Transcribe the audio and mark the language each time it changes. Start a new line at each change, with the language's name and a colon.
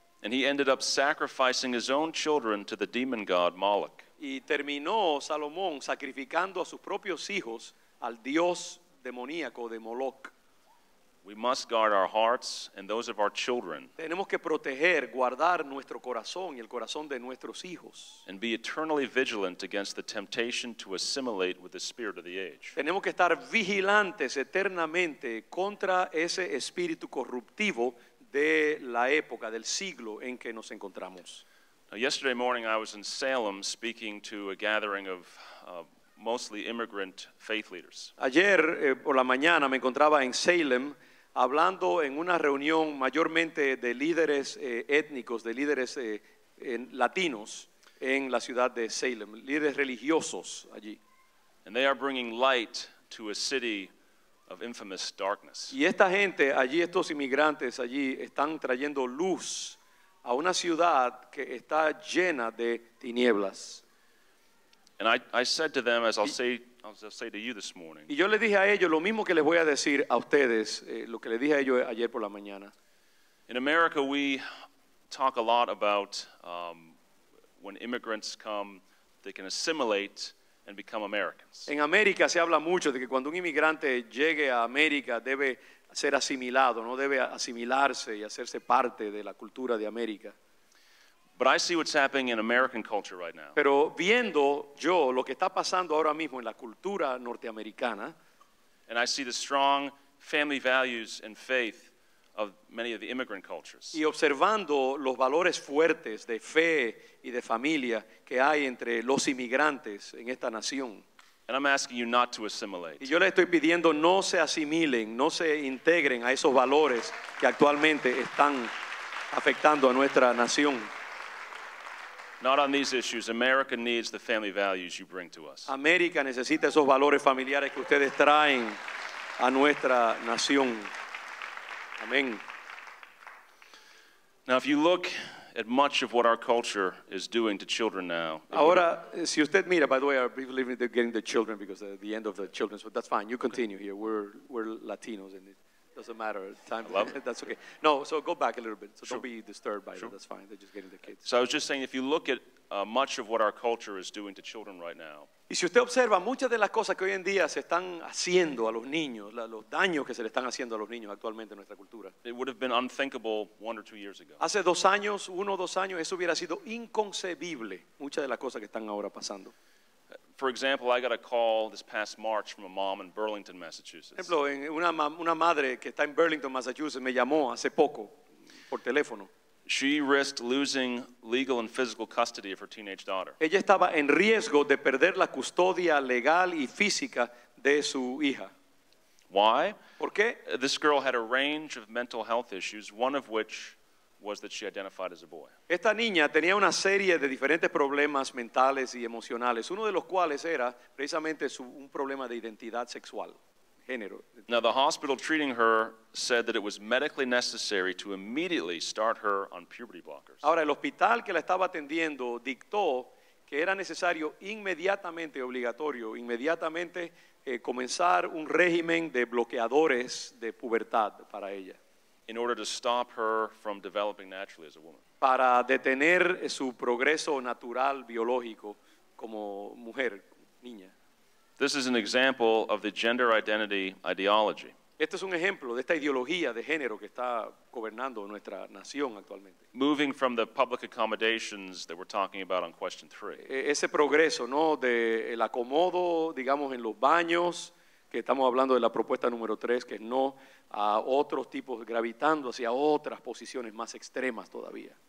English: And he ended up sacrificing his own children to the demon god Moloch.
Spanish: Y terminó Salomón sacrificando a sus propios hijos al dios demoníaco de Moloch.
English: We must guard our hearts and those of our children.
Spanish: Tenemos que proteger, guardar nuestro corazón y el corazón de nuestros hijos.
English: And be eternally vigilant against the temptation to assimilate with the spirit of the age.
Spanish: Tenemos que estar vigilantes eternamente contra ese espíritu corruptivo de la época, del siglo en que nos encontramos.
English: Now, yesterday morning I was in Salem speaking to a gathering of mostly immigrant faith leaders.
Spanish: Ayer por la mañana me encontraba en Salem hablando en una reunión mayormente de líderes étnicos, de líderes latinos. en la ciudad de Salem, líderes religiosos allí.
English: And they are bringing light to a city of infamous darkness.
Spanish: Y esta gente allí, estos inmigrantes allí, están trayendo luz a una ciudad que está llena de tinieblas.
English: And I said to them, as I'll say to you this morning.
Spanish: Y yo les dije a ellos lo mismo que les voy a decir a ustedes, lo que les dije a ellos ayer por la mañana.
English: In America, we talk a lot about when immigrants come, they can assimilate and become Americans.
Spanish: En América se habla mucho de que cuando un inmigrante llegue a América debe ser asimilado, no debe asimilarse y hacerse parte de la cultura de América.
English: But I see what's happening in American culture right now.
Spanish: Pero viendo yo lo que está pasando ahora mismo en la cultura norteamericana,
English: and I see the strong family values and faith of many of the immigrant cultures.
Spanish: Y observando los valores fuertes de fe y de familia que hay entre los inmigrantes en esta nación.
English: And I'm asking you not to assimilate.
Spanish: Y yo le estoy pidiendo no se asimilen, no se integren a esos valores que actualmente están afectando a nuestra nación.
English: Not on these issues. America needs the family values you bring to us.
Spanish: América necesita esos valores familiares que ustedes traen a nuestra nación. Amén.
English: Now, if you look at much of what our culture is doing to children now.
Spanish: Ahora, si usted mira,
English: by the way, I believe they're getting the children because of the end of the children, so that's fine. You continue here. We're Latinos, and it doesn't matter. Time. I love it. That's okay. No, so go back a little bit. So sure. Don't be disturbed by sure. It. That's fine. They're just getting the kids. So I was just saying, if you look at much of what our culture is doing to children right now.
Spanish: Y si usted observa muchas de las cosas que hoy en día se están haciendo a los niños, los daños que se le están haciendo a los niños actualmente en nuestra cultura.
English: It would have been unthinkable 1 or 2 years ago.
Spanish: Hace uno o dos años, eso hubiera sido inconcebible, muchas de las cosas que están ahora pasando.
English: For example, I got a call this past March from a mom in Burlington, Massachusetts.
Spanish: Por ejemplo, una madre que está en Burlington, Massachusetts, me llamó hace poco por teléfono.
English: She risked losing legal and physical custody of her teenage daughter.
Spanish: Ella estaba en riesgo de perder la custodia legal y física de su hija.
English: Why?
Spanish: ¿Por qué?
English: This girl had a range of mental health issues, one of which was that she identified as a boy.
Spanish: Esta niña tenía una serie de diferentes problemas mentales y emocionales, uno de los cuales era precisamente un problema de identidad sexual.
English: Now the hospital treating her said that it was medically necessary to immediately start her on puberty blockers.
Spanish: Ahora el hospital que la estaba atendiendo dictó que era necesario inmediatamente, obligatorio, inmediatamente comenzar un régimen de bloqueadores de pubertad para ella.
English: In order to stop her from developing naturally as a woman.
Spanish: Para detener su progreso natural biológico como mujer, niña.
English: This is an example of the gender identity ideology.
Spanish: Este es un ejemplo de esta ideología de género que está gobernando nuestra nación actualmente.
English: Moving from the public accommodations that we're talking about on question 3.
Spanish: Ese progreso, ¿no?, de el acomodo, digamos, en los baños, que estamos hablando de la propuesta número 3, que es no, a otros tipos gravitando hacia otras posiciones más extremas todavía.